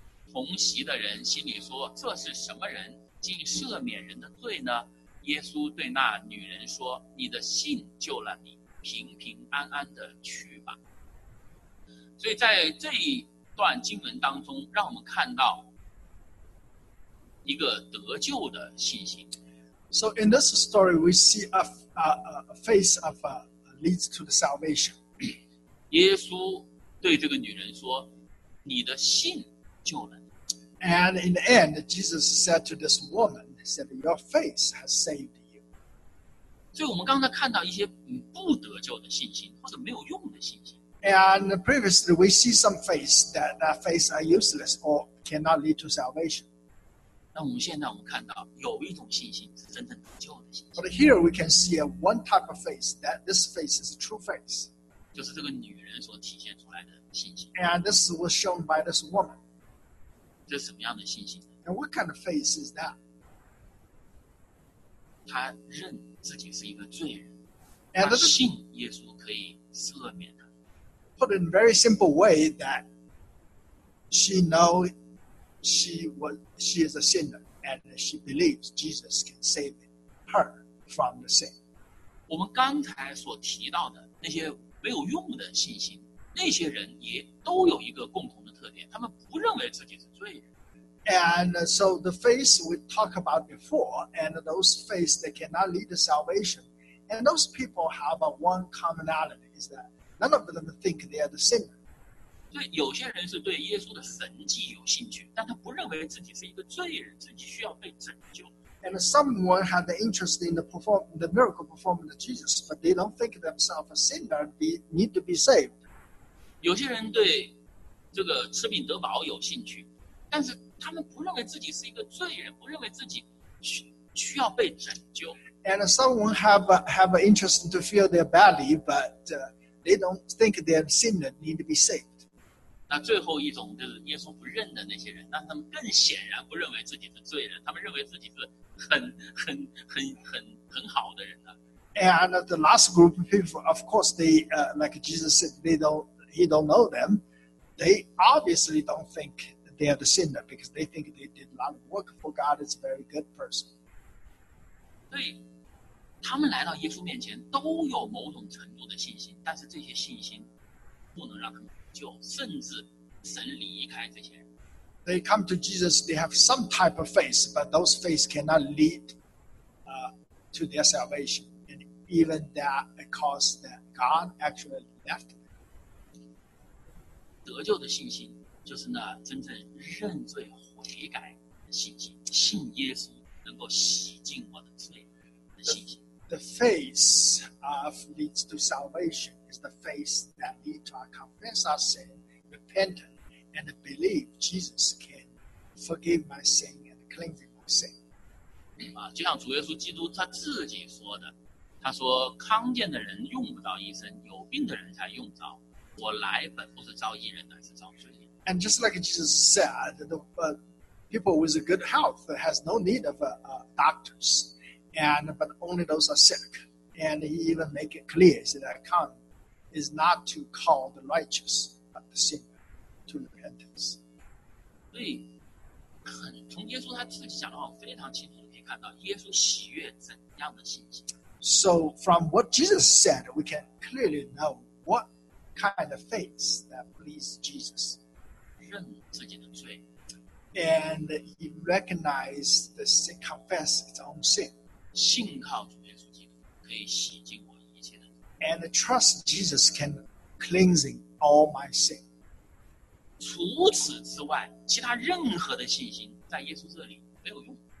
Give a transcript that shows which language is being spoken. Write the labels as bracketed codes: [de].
[zh] 同席的人心里说，这是什么人，竟赦免人的罪呢？耶稣对那女人说，你的信救了你，平平安安的去吧。所以在这一段经文当中，让我们看到一个得救的信心。 [en] So in this story we see a face of leads to the salvation. [zh] 耶稣对这个女人说，你的信救了你。 [en] And in the end, Jesus said to this woman, he said, your faith has saved you. [zh] 所以我们刚才看到一些不得救的信心，或者没有用的信心。 [en] And previously, we see some faith that faith are useless or cannot lead to salvation. [zh] 那我们现在我们看到有一种信心是真正得救的信心。 [en] But here we can see one type of faith, that this faith is a true faith. [zh] 就是这个女人所体现出来的信心。 [en] And this was shown by this woman. [zh] 这是什么样的信心？ [en] And what kind of faith is that? [zh] 他认自己是一个罪人，他信耶稣可以赦免他。 [en] Put in a very simple way that she knows she is a sinner and she believes Jesus can save her from the sin. [zh] 我们刚才所提到的那些没有用的信心，那些人也都有一个共同的特点，他们不认为自己是罪人。 [en] And so the faith we talked about before, and those faith that cannot lead to salvation, and those people have one commonality, is that none of them think they are the sinner. [zh] 对，有些人是对耶稣的神迹有兴趣，但他不认为自己是一个罪人，自己需要被拯救。 [en] And someone had the interest in the miracle performance of Jesus, but they don't think themselves a sinner need to be saved. [zh] 有些人对这个吃饼得饱有兴趣，但是他们不认为自己是一个罪人，不认为自己需要被拯救。 [en] And someone have an interest to feel their belly, but they don't think their sin need to be saved. [zh] 那最后一种就是耶稣不认的那些人，那他们更显然不认为自己是罪人，他们认为自己是很好的人呢。 [en] And the last group of people, of course, like Jesus said, he don't know them. They obviously don't think. They are the sinner because they think they did a lot of work for God. It's a very good person. [zh] 对，他们来到耶稣面前都有某种程度的信心，但是这些信心不能让他们就甚至神离开这些人。 [en] They come to Jesus. They have some type of faith, but those faith cannot lead to their salvation, and even that caused that God actually left them. [zh] 得救的信心。就是那真正认罪悔改的信心，信耶稣能够洗净我的罪的信心。 [en] The face of leads to salvation is the face that leads to our confess our sin, repent, and believe Jesus can forgive my sin and cleanse my sin. [zh] 就像主耶稣基督他自己说的，他说康健的人用不着医生，有病的人才用着。我来本不是招义人，乃是招罪人。 [en] And just like Jesus said, people with a good health has no need of doctors. But only those are sick. And he even make it clear, he said, I come is not to call the righteous, but the sinner to repentance. [zh] 对，很从耶稣他自己讲的话，非常清楚可以看到耶稣喜悦怎样的信心。 [en] So from what Jesus said, we can clearly know what kind of faith that pleases Jesus. [zh] 认自己的罪。 [en] And he recognized the sin, confess its own sin. [zh] 信靠主耶稣基督可以洗净我一切的。 [en] And trust Jesus can cleansing all my sin. [zh] 除此之外，其他任何的信心在耶稣这里没有用。